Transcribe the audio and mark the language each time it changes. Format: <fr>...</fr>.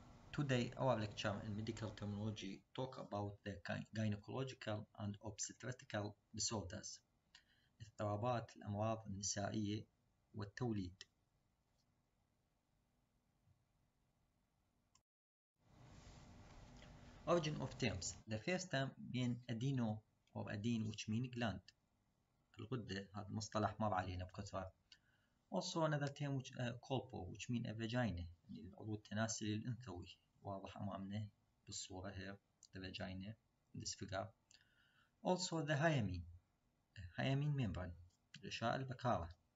<en>Today, our lecture in medical terminology talk about the gynecological and obstetrical disorders,</en> <ar>اضطرابات الأمراض النسائية والتوليد.</ar> <en>Origin of terms. The first term being adeno or adene, which means gland.</en> <ar>الغدة هذا مصطلح مر علينا بكثرة.</ar> <en>Also another term which colpo, which means a vagina,</en> <ar>يعني العضو التناسلي الأنثوي. واضح أمامنا بالصورة</ar> <en>here, the vagina, in this figure. Also the hyamine membrane,</en> <ar>غشاء البكارة.</ar>